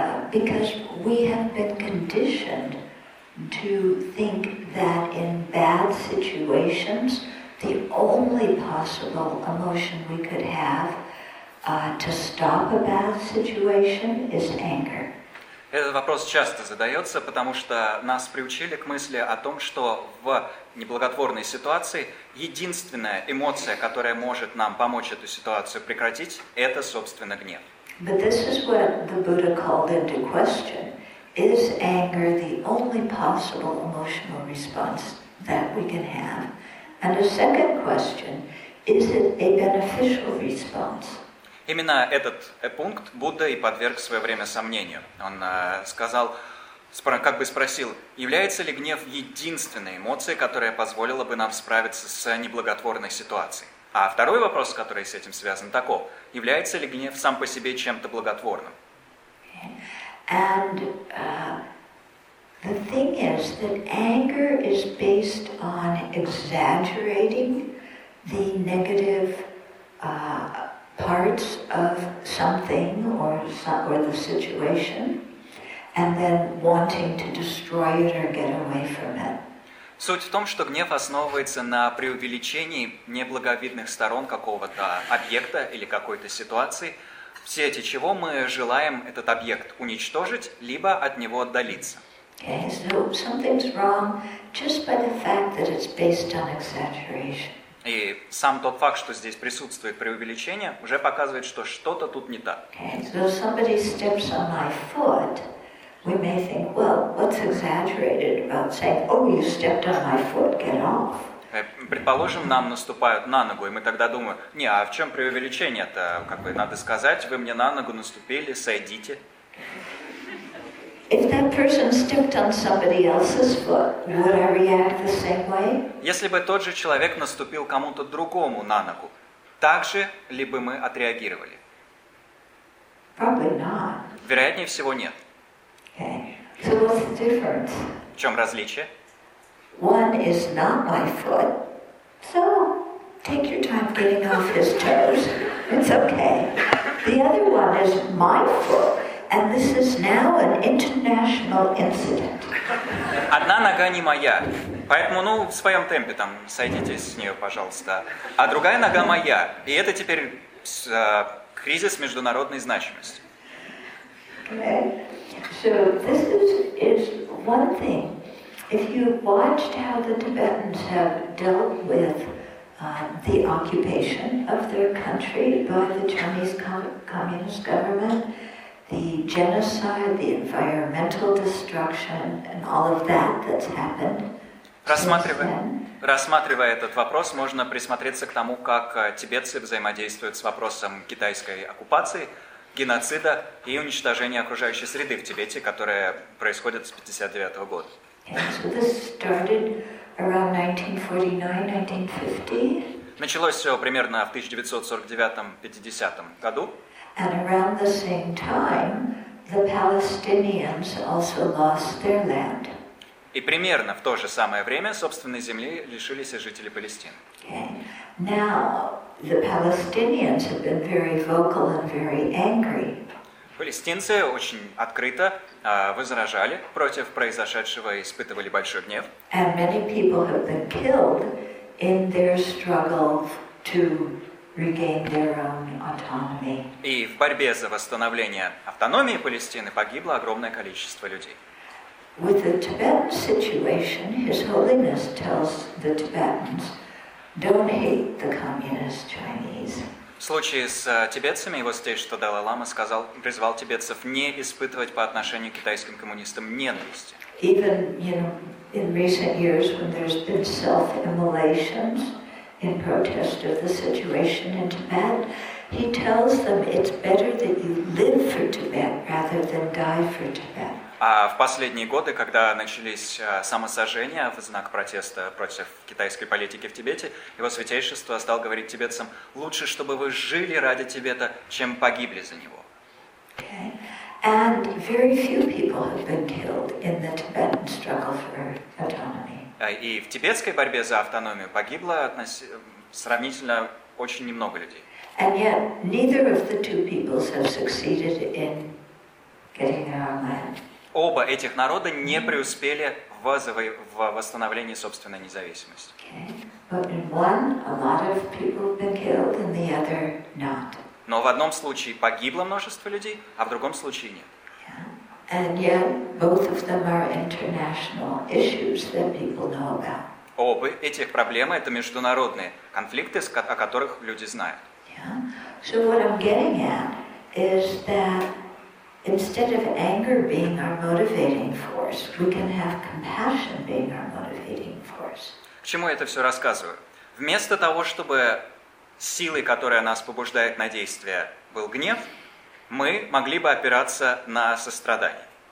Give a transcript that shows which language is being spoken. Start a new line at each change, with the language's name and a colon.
English: because we have been conditioned to think that in bad situations, the only possible emotion we could have to stop a bad situation is anger.
Russian: Этот вопрос часто задается, потому что нас приучили к мысли о том, что в неблаготворной ситуации единственная эмоция, которая может нам помочь эту ситуацию прекратить, это, собственно, гнев.
English: But this is what the Buddha called into question. Is anger the only possible emotional response that we can have? And a second question, is it a beneficial response?
Russian: Именно этот пункт Будда и подверг в свое время сомнению. Он сказал, как бы спросил, является ли гнев единственной эмоцией, которая позволила бы нам справиться с неблаготворной ситуацией? А второй вопрос, который с этим связан, таков. Является ли гнев сам по себе чем-то благотворным?
English: And the thing is that anger is based on exaggerating the negative parts of something or the situation and then wanting to destroy it or get away from it.
Russian: Суть в том, что гнев основывается на преувеличении неблаговидных сторон какого-то объекта или какой-то ситуации, в свете чего мы желаем этот объект уничтожить, либо от него отдалиться.
English: Okay, so something's wrong just by the fact that it's based on exaggeration.
Russian: И сам тот факт, что здесь присутствует преувеличение, уже показывает, что что-то тут не так.
English: Okay, so somebody steps on my foot. We may think, well, what's exaggerated about saying, oh, you stepped on my foot, get off.
Russian: Предположим, нам наступают на ногу, и мы тогда думаем, не, а в чем преувеличение-то? Как бы надо сказать, вы мне на ногу наступили, сойдите.
English: If that person stepped on somebody else's foot, would I react the same way?
Russian: Если бы тот же человек наступил кому-то другому на ногу, так же ли бы мы отреагировали?
English: Probably not.
Russian: Вероятнее всего, нет.
English: Okay. So what's the difference?
Russian: В чем различие?
English: One is not my foot, so take your time getting off his toes. It's okay. The other one is my foot, and this is now an international incident.
Russian: Одна нога не моя, поэтому, ну, в своем темпе, там, сойдите с нее, пожалуйста. А другая нога моя, и это теперь кризис международной значимости.
English: Okay. So this is one thing. If you watched how the Tibetans have dealt with the occupation of their country by the Chinese communist government, the genocide, the environmental destruction, and all of that that's happened.
Russian: Рассматривая этот вопрос, можно присмотреться к тому, как тибетцы взаимодействуют с вопросом китайской оккупации, геноцида и уничтожения окружающей среды в Тибете, которое происходит с 59-го года.
English: So this started around 1949-1950.
Russian: Началось все примерно в 1949-50 году.
English: And around the same time, the Palestinians also lost their land.
Russian: И примерно в то же самое время собственной земли лишились и жители Палестины.
English: Okay. Now, the Palestinians have been very vocal and very angry.
Russian: Палестинцы очень открыто возражали против произошедшего и испытывали большой гнев.
English: And many people have been killed in their struggle to regain their own autonomy.
Russian: И в борьбе за восстановление автономии Палестины погибло огромное количество людей.
English: With the Tibetan situation, His Holiness tells the Tibetans, don't hate the communist Chinese.
Russian: В случае с тибетцами, вот здесь, что Далай-лама сказал, призвал тибетцев не испытывать по отношению к китайским коммунистам ненависти.
English: Even, you know, in recent years when there's been self-immolations in protest of the situation in Tibet, he tells them it's better that you live for Tibet rather than die for Tibet.
Russian: А в последние годы, когда начались самосожжения в знак протеста против китайской политики в Тибете, его святейшество стал говорить тибетцам, лучше, чтобы вы жили ради Тибета, чем погибли за него.
English: Okay. And very few people have been killed in the Tibetan struggle for autonomy.
Russian: И в тибетской борьбе за автономию погибло сравнительно очень немного людей.
English: And yet, neither of the two peoples have succeeded in getting their own land.
Russian: Оба этих народа не преуспели в восстановлении собственной независимости. Но в одном случае погибло множество людей, а в другом случае нет.
English: And yet both of them are international issues that people know about.
Russian: Оба этих проблемы — это международные конфликты, о которых люди знают.
English: So what I'm getting at is that instead of anger being our motivating force, we can have compassion being our motivating force.
Russian: К чему я это все рассказываю? Вместо того, чтобы силой, которая нас побуждает на действие, был гнев, мы могли бы опираться на сострадание.